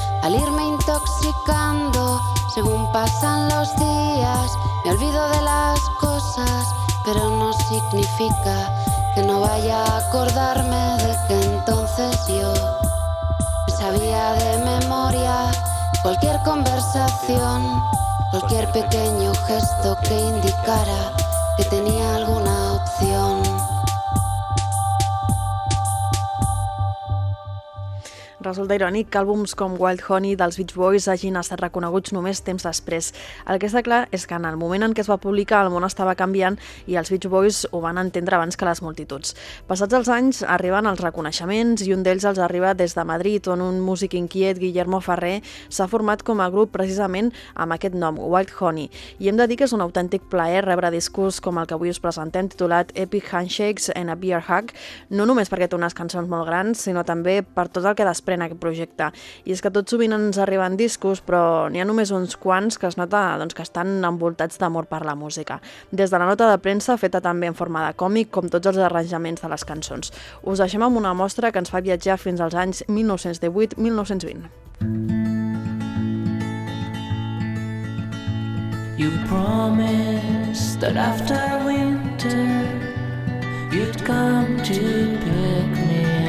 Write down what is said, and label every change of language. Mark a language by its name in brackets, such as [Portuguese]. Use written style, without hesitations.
[Spanish] Al irme intoxicando según pasan los días, me olvido de las cosas, pero no significa que no vaya a acordarme de que entonces yo sabía de memoria cualquier conversación, cualquier pequeño gesto que indicara que tenía alguna opción. [Catalan] Resulta irònic que àlbums com Wild Honey dels Beach Boys hagin estat reconeguts només temps després. El que està clar és que en el moment en què es va publicar el món estava canviant i els Beach Boys ho van entendre abans que les multituds. Passats els anys arriben els reconeixements i un d'ells els arriba des de Madrid, on un músic inquiet, Guillermo Ferrer, s'ha format com a grup precisament amb aquest nom, Wild Honey. I hem de dir que és un autèntic plaer rebre discos com el que avui us presentem titulat Epic Handshakes and a Beer Hug, no només perquè té unes cançons molt grans, sinó també per tot el que després en aquest projecte. I és que tot sovint ens arriben discos, però n'hi ha només uns quants que es nota doncs, que estan envoltats d'amor per la música. Des de la nota de premsa, feta també en forma de còmic, com tots els arranjaments de les cançons. Us deixem amb una mostra que ens fa viatjar fins als anys 1918-1920. [English] You promised that after winter you'd come to pick me.